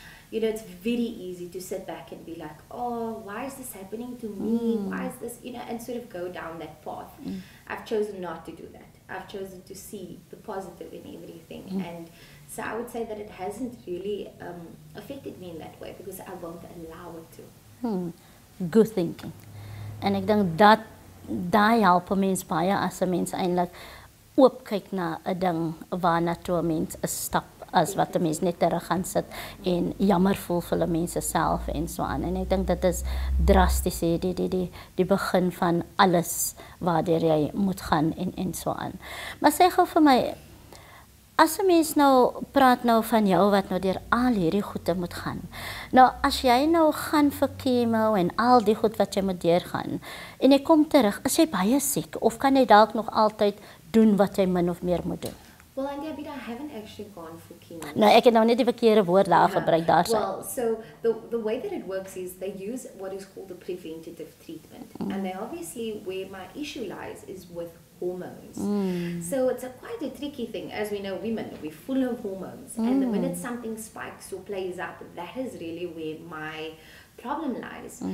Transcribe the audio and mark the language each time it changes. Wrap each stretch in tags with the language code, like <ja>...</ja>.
<en>You know, it's very easy to sit back and be like, oh, why is this happening to me? Why is this, you know, and sort of go down that path. I've chosen not to do that. I've chosen to see the positive in everything. And so I would say that it hasn't really affected me in that way because I won't allow it to. Good thinking.</en> <af>En ek dink dat daai help 'n mens baie as 'n mens eintlik oop kyk na 'n ding waarna toe 'n mens 'n stap as wat 'n mens net terug gaan sit en jammer voel vir 'n mens self en so aan. En ek dink dit is drasties die begin van alles waardeur jy moet gaan en so aan. Maar sê gou vir my, as 'n mens nou praat nou van jou wat nou deur al hierdie goede moet gaan. Nou as jy nou gaan vir chemo en al die goed wat jy moet deurgaan en jy kom terug, is jy baie siek of kan jy dalk nog altyd doen wat jy min of meer moet doen?</af> <en>Well, Auntie Abida, I haven't actually gone for chemo.</en> <af>Nou ek het nou net die verkeerde woord daar gebruik daar.</af> <en>Well, so the way that it works is they use what is called the preventative treatment. And they obviously where my issue lies is with hormones. So it's a quite a tricky thing. As we know, women, we're full of hormones. And the minute something spikes or plays up, that is really where my problem lies.</en>